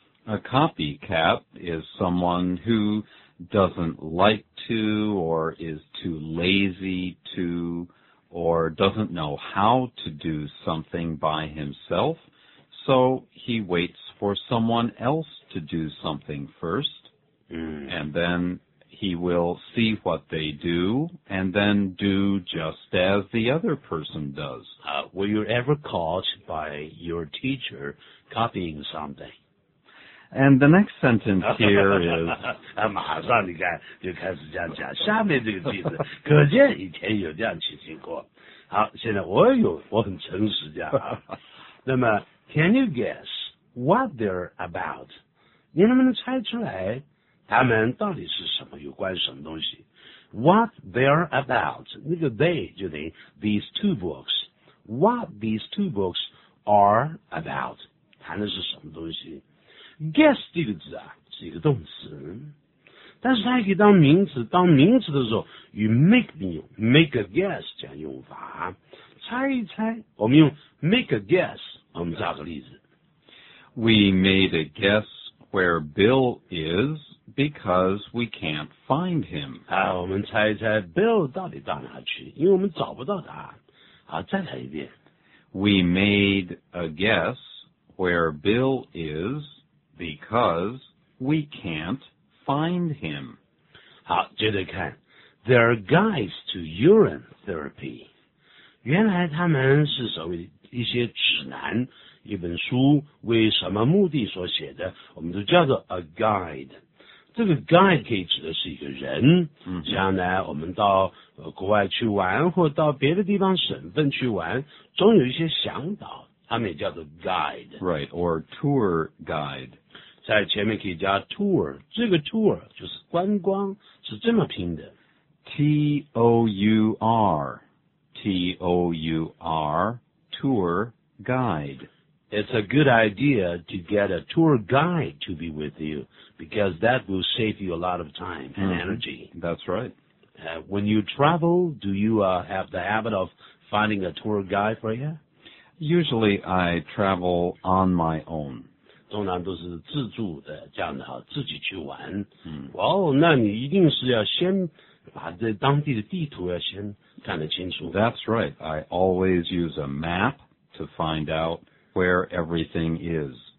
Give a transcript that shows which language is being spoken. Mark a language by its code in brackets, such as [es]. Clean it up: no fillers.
[en] A copycat is someone who doesn't like to, or is too lazy to, or doesn't know how to do something by himself, so he waits for someone else to do something first, and then he will see what they do, and then do just as the other person does. Were you ever caught by your teacher copying something? And the next sentence here is... [zh] 马上你看就开始这样讲下面这个句子，可见以前有这样情形过。好，现在我很诚实这样啊。 [en] 那么 ,can you guess what they're about? [zh] 你能不能猜出来他们到底是什么，有关什么东西 ? [en] What they're about, [zh] 那个 they 就等于 [en] these two books, what these two books are about, [zh] 谈的是什么东西。 Guess 这个字啊是一个动词，但是它也可以当名词，当名词的时候与 make a guess 这样用法，猜一猜，我们用 make a guess， 我们找个例子。 [en] We made a guess where Bill is because we can't find him. [zh] 我们猜一猜 Bill 到底到哪去，因为我们找不到他。好，再来一遍。 [en] We made a guess where Bill isBecause we can't find him. [zh] 好，接着看 [en] There are guides to urine therapy. [zh] 原来他们是所谓一些指南，一本书为什么目的所写的，我们都叫做 a guide。这个 guide 可以指的是一个人，像呢我们到国外去玩，或到别的地方省份去玩，总有一些向导，他们也叫做 guide。 [en] Right, or tour guide. [zh] 在前面可以加 tour， 这个 tour 就是观光，是这么拼的 [en] ，T-O-U-R， T-O-U-R， tour guide。 It's a good idea to get a tour guide to be with you because that will save you a lot of time and energy. That's right. When you travel, do you have the habit of finding a tour guide for you? Usually, I travel on my own. [zh] 通常都是自助的这样的哈，自己去玩。那你一定是要先把这当地的地图要先看得清楚。 [en] That's right. I always use a map to find out where everything is.